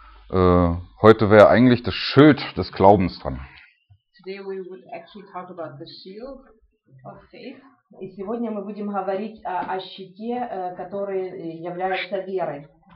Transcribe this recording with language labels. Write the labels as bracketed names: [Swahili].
[German] Heute wäre eigentlich das Schild des Glaubens dran. [English] Today we would actually talk about the shield of faith. [Russian] И сегодня мы будем говорить о щите, который является верой.